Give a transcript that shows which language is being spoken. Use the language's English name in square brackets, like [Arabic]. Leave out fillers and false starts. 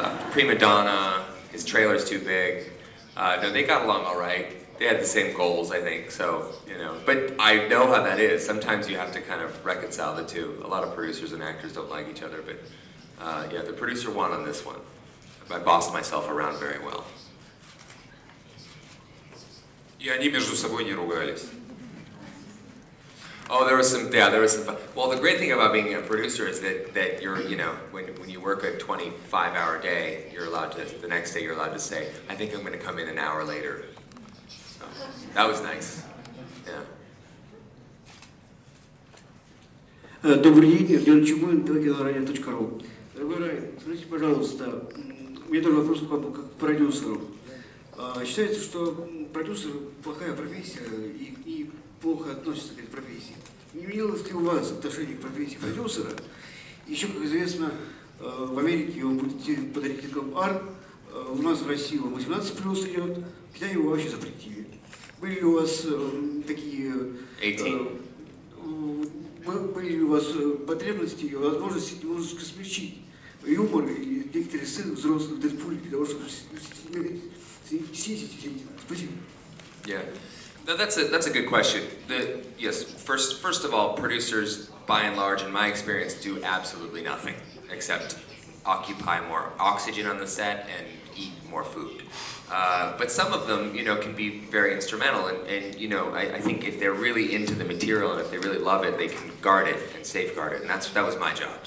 [English] Prima donna, his trailer's too big. No, they got along all right. They had the same goals, I think, so, you know. But I know how that is. Sometimes you have to kind of reconcile the two. A lot of producers and actors don't like each other, but yeah, the producer won on this one. I bossed myself around very well. [Russian] И они между собой не ругались. [English] Oh, there was some fun. Well, the great thing about being a producer is that you're, you know, when you work a 25-hour day, the next day you're allowed to say, I think I'm going to come in an hour later. So, that was nice. Yeah. [Russian] Добрый день, я Леонид Чумын, TenKetsu.ru. Дорогой Райан, скажите, пожалуйста, у меня тоже вопрос как к продюсеру. Считается, что продюсер – плохая профессия, и плохо относится к этой профессии. Не менялось ли у вас отношение к профессии продюсера? Еще, как известно, в Америке он будет под рейтингом R, у нас в России он 18+ идет, в Китае его вообще запретили. Были ли у вас такие... 18. Были ли у вас потребности и возможности немножечко смягчить юмор или некоторые сцены взрослых Дэдпуля для того, чтобы снизить рейтинг? Спасибо. [English] No, that's a good question. First of all, producers, by and large, in my experience, do absolutely nothing except occupy more oxygen on the set and eat more food. But some of them, you know, can be very instrumental. And you know, I think if they're really into the material and if they really love it, they can guard it and safeguard it. And that was my job.